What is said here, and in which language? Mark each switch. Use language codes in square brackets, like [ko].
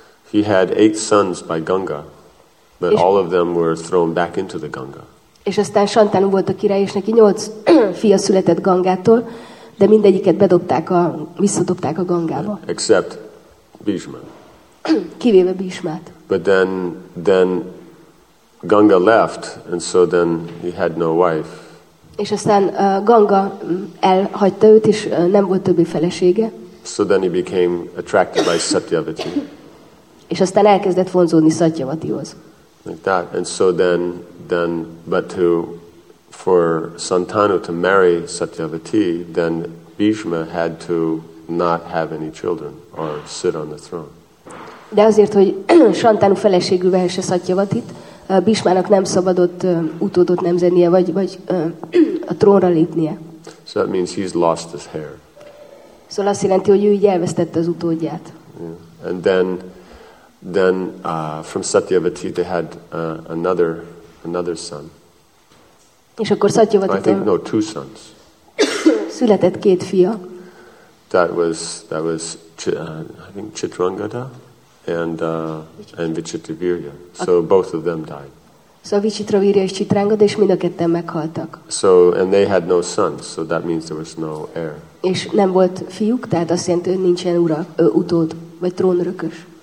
[en] He had eight sons by Ganga, but all of them were thrown back into the Ganga. [hu] És aztán Shantanu volt a király, és neki nyolc fia született Gangától, de mindegyiket visszadobták a Gangába. [en] Except Bhishma. [hu] Kivéve Bhishmát. [en] But then Ganga left, and so then he had no wife. [hu] És aztán Ganga elhagyta őt, és nem volt többi felesége. [en] So then he became attracted by Satyavati. [hu] És aztán elkezdett vonzódni Satyavatihoz. [en] Like that. And so then but for Santanu to marry Satyavati, then Bhishma had to not have any children or sit on the throne. [hu] De azért, hogy Santanu feleségül vehesse Satyavatit, Bhishmának nem szabadott utódot nemzenie, vagy a trónra lépnie. [en] So that means he's lost his heir. [hu] Szóval azt jelenti, hogy ő így elvesztette az utódját. [en] Yeah. And then from Satyavati they had another son. [hu] És akkor Satyavati [en] two sons. [hu] Született két fia. [en] That was Chitrangada and Vichitravirya. So both of them died. [hu] So Vichitravirya és Chitrangada és mind a ketten meghaltak. [en] So and they had no sons, so that means there was no heir. [hu] És nem volt fiúk, tehát azt jelenti, hogy nincsen utód vagy trónörökös.